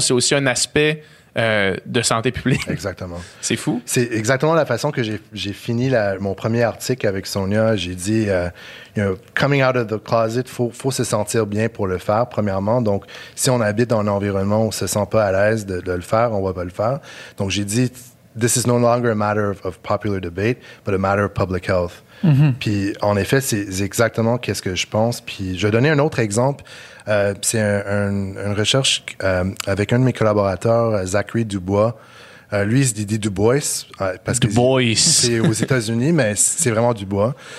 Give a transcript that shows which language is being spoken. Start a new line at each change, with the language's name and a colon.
French: C'est aussi un aspect de santé publique. Exactement. C'est fou. C'est exactement la façon que j'ai fini mon premier article avec Sonia. J'ai dit coming out of the closet, faut se sentir bien pour le faire, premièrement. Donc, si on habite dans un environnement où on se sent pas à l'aise de le faire, on va pas le faire.
English: Donc, j'ai dit, this is no longer a matter of popular debate, but a matter of public health. Mm-hmm.
French: Puis, en effet, c'est exactement qu'est-ce que je pense. Puis, je vais donner un autre exemple. C'est une recherche avec un de mes collaborateurs, Zachary Dubois. Lui, il se dit Dubois. Parce que c'est aux États-Unis, mais c'est vraiment Dubois.